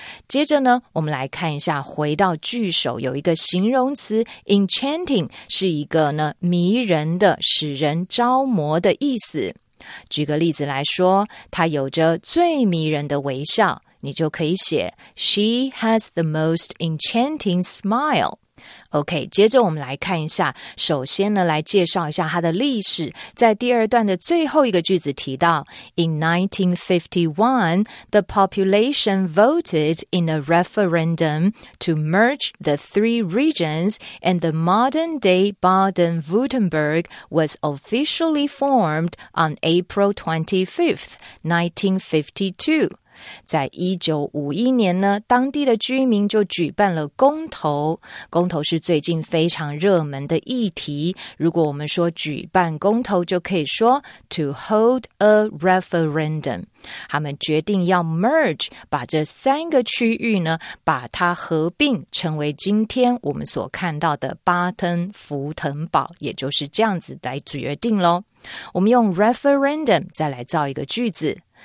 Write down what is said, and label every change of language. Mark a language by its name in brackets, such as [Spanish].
[Chinese] 接着呢，我们来看一下，回到句首有一个形容词 enchanting 是一个呢迷人的使人着魔的意思。举个例子来说，它有着最迷人的微笑，你就可以写 [English] She has the most enchanting smile。 [Chinese] OK, 接着我们来看一下，首先呢来介绍一下它的历史。在第二段的最后一个句子提到 [English] In 1951, the population voted in a referendum to merge the three regions and the modern-day Baden-Württemberg was officially formed on April 25th, 1952. [Chinese] 在1951年呢，当地的居民就举办了公投。公投是最近非常热门的议题。如果我们说举办公投，就可以说 [English] to hold a referendum。 [Chinese] 他们决定要 merge, 把这三个区域呢，把它合并，成为今天我们所看到的巴登福腾堡，也就是这样子来决定咯。我们用 referendum 再来造一个句子。